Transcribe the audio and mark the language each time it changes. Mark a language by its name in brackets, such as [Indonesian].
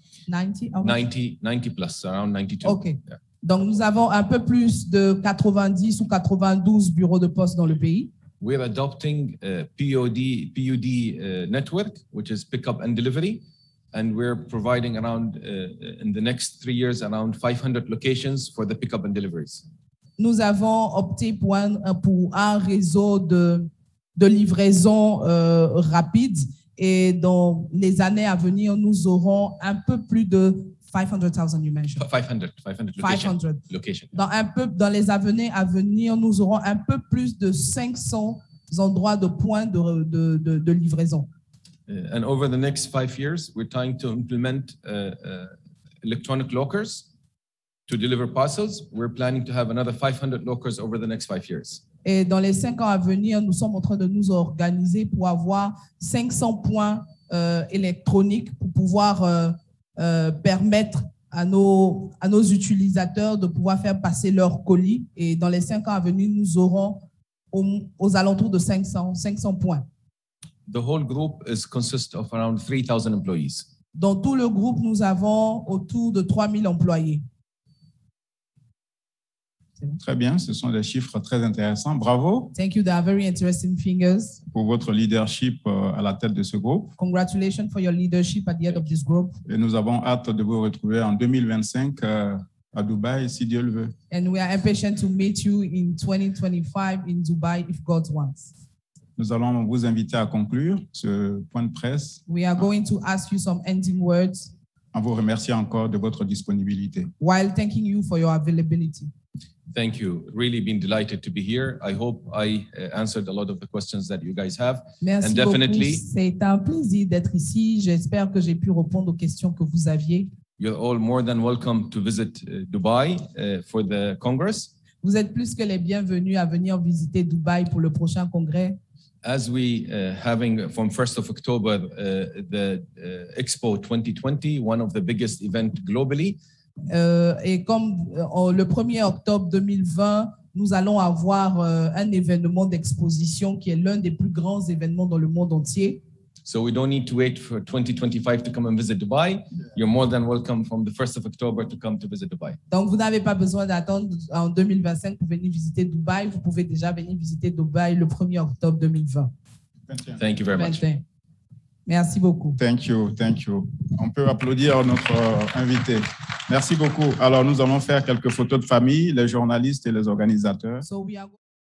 [English] 90 plus, around 92. Okay. Yeah. [French] Donc nous avons un peu plus de 90 ou 92 bureaux de poste dans le pays. [English] We are adopting PUD network, which is pickup and delivery, and we're providing around in the next 3 years around 500 locations for the pickup and deliveries. [French] Nous avons opté pour un réseau de livraison rapide, et dans les années à venir, nous aurons un peu plus de 500,000, [English] you mentioned. 500 locations. [French] Dans les années à venir, nous aurons un peu plus de 500 endroits de points de livraison. [English] And over the next 5 years, we're trying to implement electronic lockers to deliver parcels. We're planning to have another 500 lockers over the next 5 years. [French] Et dans les 5 ans à venir, nous sommes en train de nous organiser pour avoir 500 points électroniques pour pouvoir permettre à nos utilisateurs de pouvoir faire passer leurs colis. Et dans les 5 ans à venir, nous aurons aux alentours de 500 points. [English] The whole group consists of around 3,000 employees. [French] Dans tout le groupe, nous avons autour de 3,000 employés. Très bien, ce sont des chiffres très intéressants. Bravo. [English] Thank you, they are very interesting figures. [French] Pour votre leadership à la tête de ce groupe. [English] Congratulations for your leadership at the head of this group. [French] Et nous avons hâte de vous retrouver en 2025 à Dubaï, si Dieu le veut. [English] And we are impatient to meet you in 2025 in Dubai, if God wants. [French] Nous allons vous inviter à conclure ce point de presse. [English] We are going to ask you some ending words. [French] En vous remerciant encore de votre disponibilité. [English] While thanking you for your availability. Thank you. Really been delighted to be here. I hope I answered a lot of the questions that you guys have. [French] Merci [English] and definitely, [French] beaucoup. C'est un plaisir d'être ici. J'espère que j'ai pu répondre aux questions que vous aviez. [English] You're all more than welcome to visit Dubai for the Congress. [French] Vous êtes plus que les bienvenus à venir visiter Dubaï pour le prochain congrès. [English] As we having from 1st of October the Expo 2020, one of the biggest events globally. [French] Et comme le 1er octobre 2020, nous allons avoir un événement d'exposition qui est l'un des plus grands événements dans le monde entier. [English] So we don't need to wait for 2025 to come and visit Dubai. Yeah. You're more than welcome from the 1st of October to come to visit Dubai. [French] Donc vous n'avez pas besoin d'attendre en 2025 pour venir visiter Dubaï. Vous pouvez déjà venir visiter Dubaï le 1er octobre 2020. [English] Thank you very much. [French] Merci beaucoup. [English] Thank you. [French] On peut applaudir notre invité. Merci beaucoup. Alors, nous allons faire quelques photos de famille, les journalistes et les organisateurs. [English] So we are...